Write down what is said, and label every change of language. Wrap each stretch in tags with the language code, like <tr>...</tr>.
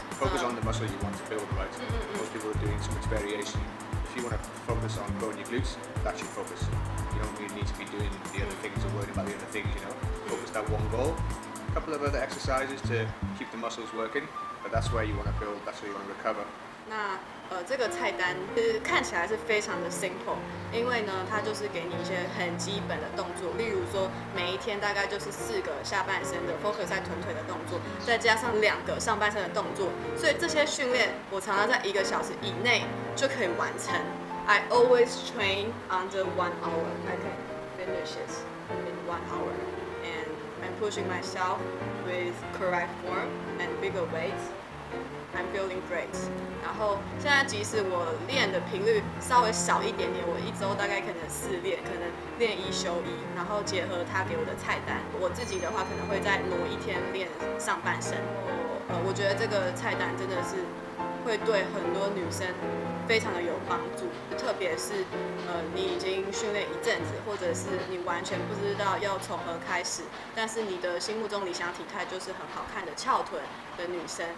<en>Focus on the muscle you want to build, right? Most people are doing so much variation. If you want to focus on growing your glutes, that's your focus. You don't really need to be doing the other things or worrying about the other things, you know. Focus that one goal. A couple of other exercises to keep the muscles working, but that's where you want to build, that's where you want to recover.</en> <zh>这个菜单是看起来是非常的 simple， 因为呢，它就是给你一些很基本的动作，例如说每一天大概就是四个下半身的 focus 在臀腿的动作，再加上两个上半身的动作，所以这些训练我常常在一个小时以内就可以完成。</zh> <en>I always train under 1 hour. I can finish it in 1 hour, and I'm pushing myself with correct form and bigger weights. I'm feeling great.</en> <zh>然后现在即使我练的频率稍微少一点点，我一周大概可能四练，可能练一休一，然后结合他给我的菜单，我自己的话可能会再挪一天练上半身。我觉得这个菜单真的是会对很多女生非常的有帮助，特别是你已经训练一阵子，或者是你完全不知道要从何开始，但是你的心目中理想体态就是很好看的翘臀的女生。</zh>